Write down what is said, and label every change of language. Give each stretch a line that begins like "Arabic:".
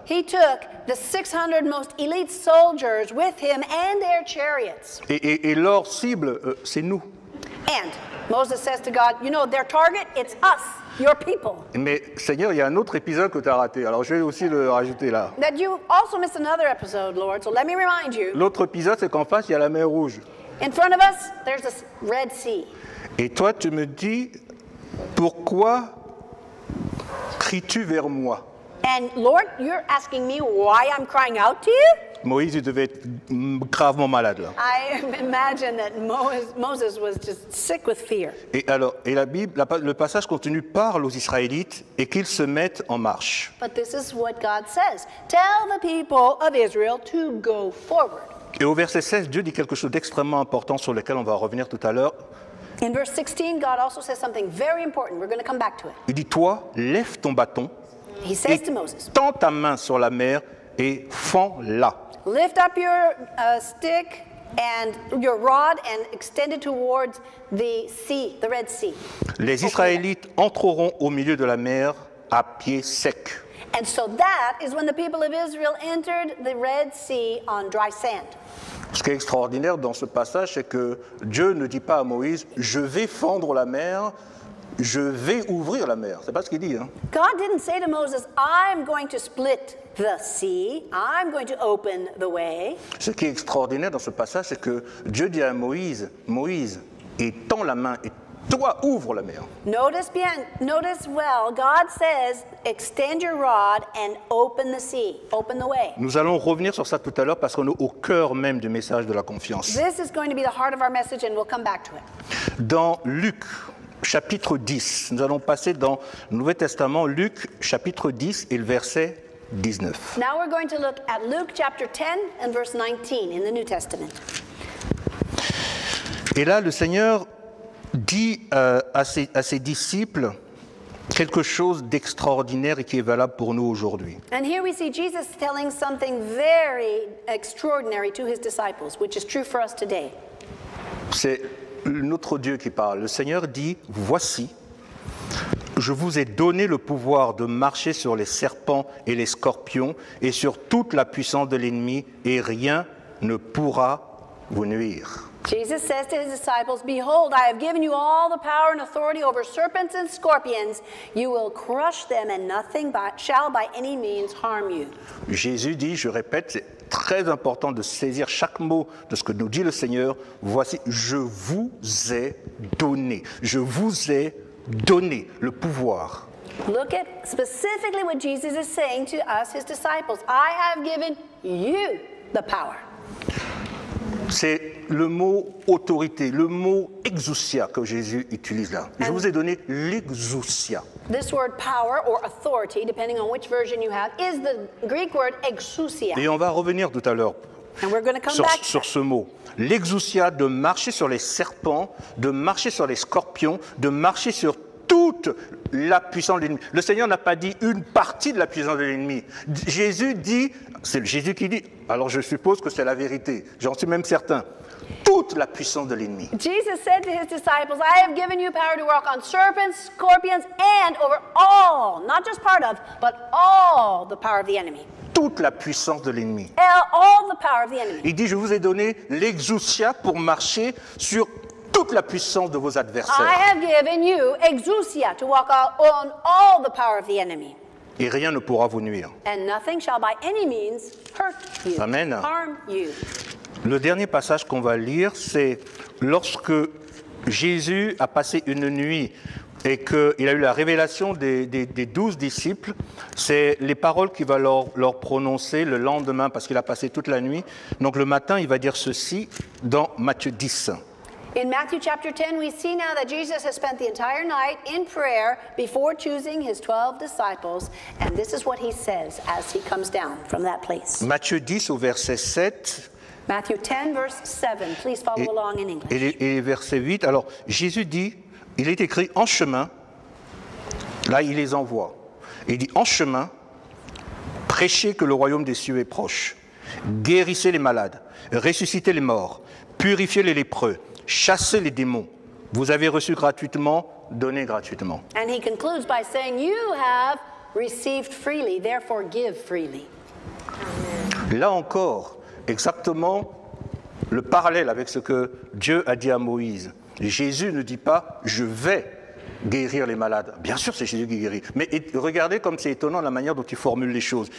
English: He took the 600 most elite soldiers with him and their chariots.
French: Et leur cible, c'est nous.
English: And Moses says to God, you know, their target, it's us, your people.
French: Mais Seigneur, il y a un autre épisode que tu as raté, alors je vais aussi le rajouter là.
English: That you also missed another episode, Lord, so let me remind you.
French: L'autre épisode, c'est qu'en face, il y a la mer Rouge.
English: In front of us, there's the Red Sea.
French: Et toi, tu me dis, pourquoi cries-tu vers moi?
English: And Lord, you're asking me why I'm crying out to you?
French: Moïse, il devait être gravement malade là.
English: I imagine that Moses was just sick with fear.
French: Et alors, et la Bible, le passage continue, parle aux Israélites et qu'ils se mettent en marche.
English: But this is what God says. Tell the people of Israel to go forward.
French: Et au verset 16, Dieu dit quelque chose d'extrêmement important sur lequel on va revenir tout à l'heure.
English: In verse 16, God also says something very important. We're going to come back to it.
French: Il dit, toi, lève ton bâton.
English: He says to Moses,
French: tends ta main sur la mer et fends-la.
English: Lift up your stick and your rod and extend it towards the sea, the Red Sea.
French: Les Israélites entreront au milieu de la mer à pied sec.
English: And so that is when the people of Israel entered the Red Sea on dry sand.
French: Ce qui est extraordinaire dans ce passage, c'est que Dieu ne dit pas à Moïse, je vais fendre la mer, je vais ouvrir la mer. C'est pas ce qu'il dit, hein.
English: God didn't say to Moses, I'm going to split the sea, I'm going to open the way.
French: Ce qui est extraordinaire dans ce passage, c'est que Dieu dit à Moïse, Moïse, étends la main et toi, ouvre la mer.
English: Notice well, God says, extend your rod and open the sea, open the way.
French: Nous allons revenir sur ça tout à l'heure parce qu'on est au cœur même du message de la confiance.
English: This is going to be the heart of our message and we'll come back to it.
French: Dans Luc, chapitre 10, nous allons passer dans le Nouveau Testament, Luc, chapitre 10 et le verset 19.
English: Now we're going to look at Luke, chapter 10 and verse 19 in the New Testament.
French: Et là, le Seigneur dit à ses disciples quelque chose d'extraordinaire et qui est valable pour nous aujourd'hui.
English: And here we see Jesus telling something very extraordinary to his disciples, which is true for us today.
French: C'est notre Dieu qui parle. Le Seigneur dit, voici, je vous ai donné le pouvoir de marcher sur les serpents et les scorpions et sur toute la puissance de l'ennemi et rien ne pourra vous nuire.
English: Jesus says to his disciples, behold, I have given you all the power and authority over serpents and scorpions. You will crush them and nothing shall by any means harm you.
French: Jésus dit, je répète, c'est très important de saisir chaque mot de ce que nous dit le Seigneur. Voici, je vous ai donné le pouvoir.
English: Look at specifically what Jesus is saying to us, his disciples. I have given you the power.
French: C'est le mot autorité, le mot exousia que Jésus utilise là. Je vous ai donné l'exousia.
English: This word power or authority, depending on which version you have, is the Greek word exousia.
French: Et on va revenir tout à l'heure.
English: And we're going to come
French: sur ce mot, l'exousia, de marcher sur les serpents, de marcher sur les scorpions, de marcher sur toute la puissance de l'ennemi. Le Seigneur n'a pas dit une partie de la puissance de l'ennemi. Jésus dit, c'est Jésus qui dit, alors je suppose que c'est la vérité, j'en suis même certain, toute la puissance de l'ennemi.
English: Jesus said to his disciples, I have given you power to walk on serpents, scorpions, and over all, not just part of, but all the power of the enemy.
French: Toute la puissance de l'ennemi.
English: All the power of the enemy.
French: Il dit, je vous ai donné l'exousia pour marcher sur toute la puissance de vos adversaires.
English: I have given you exousia to walk on all the power of the enemy.
French: Et rien ne pourra vous nuire.
English: And nothing shall by any means hurt you.
French: Amen.
English: Harm you.
French: Le dernier passage qu'on va lire, c'est lorsque Jésus a passé une nuit et qu'il a eu la révélation des 12 disciples, c'est les paroles qu'il va leur prononcer le lendemain, parce qu'il a passé toute la nuit. Donc le matin, il va dire ceci dans Matthieu 10.
English: In Matthew chapter 10, we see now that Jesus has spent the entire night in prayer before choosing his 12 disciples, and this is what he says as he comes down from that place.
French: Matthieu 10 au verset 7.
English: Matthew 10, verse 7. Please follow along in English.
French: Et verset 8. Alors, Jésus dit, il est écrit en chemin, là il les envoie. Il dit en chemin, prêchez que le royaume des cieux est proche. Guérissez les malades, ressuscitez les morts, purifiez les lépreux, chassez les démons. Vous avez reçu gratuitement, donnez gratuitement.
English: And he concludes by saying, you have received freely, therefore give freely.
French: Là encore, exactement le parallèle avec ce que Dieu a dit à Moïse. Jésus ne dit pas « je vais guérir les malades ». Bien sûr, c'est Jésus qui guérit. Mais regardez comme c'est étonnant la manière dont il formule les choses.